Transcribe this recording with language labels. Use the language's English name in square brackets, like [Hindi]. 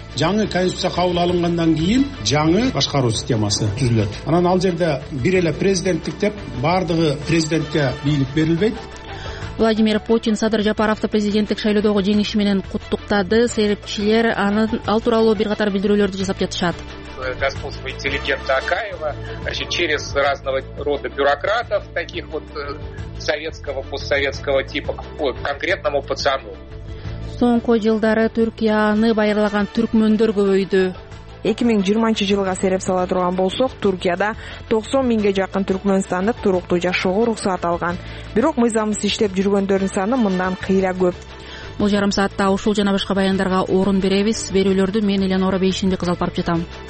[Kyrgyz] Жаңы конституция кабыл алынгандан кийин жаңы башкаруу системасы түзүлөт. Анан ал жерде бир эле президенттик деп бардыгы президентке бийлик берилбейт. Владимир Путин Садыр Жапаровду президенттик шайлоодогу жеңиши менен куттуктады. Серепчилер анын ал тууралуу бир катар билдирүүлөрдү жасап жатышат. [Russian] Господство интеллигента Акаева, значит, через разного рода бюрократов, таких вот советского, постсоветского типа, к конкретному пацану. [Kyrgyz] Соңку жылдары Түркияны байырлаган түркмөндөр көбөйдү. 2020 жылга серп сала турган болсок, Түркияда 90 миңге жакын түркмөнстандык туруктуу жашоого уруксат алган. Бирок мыйзамсыз иштеп жүргөндөрдүн саны мындан кыйра көп. Бул жарым саатта ушул жана башка баяндарга орун беребиз. Берүүлөрдү мен Эленора Бейшинди кызыл барып жатам.